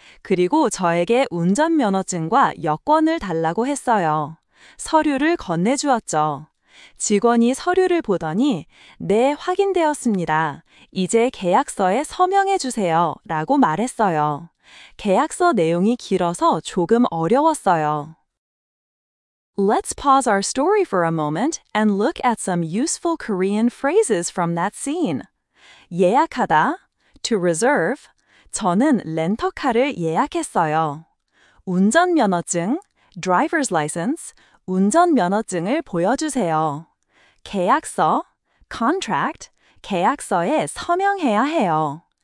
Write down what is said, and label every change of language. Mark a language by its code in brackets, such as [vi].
[ko] 그리고 저에게 운전면허증과 여권을 달라고 했어요. 서류를 건네주었죠. 직원이 서류를 보더니, 네, 확인되었습니다. 이제 계약서에 서명해 주세요. 라고 말했어요. 계약서 내용이 길어서 조금 어려웠어요. [en] Let's pause our story for a moment and look at some useful Korean phrases from that scene. [ko] 예약하다, [en] to reserve, [ko] 저는 렌터카를 예약했어요. 운전면허증, [en] driver's license, [ko] 운전면허증을 보여주세요. 계약서, [en] contract, [ko] 계약서에 서명해야 해요.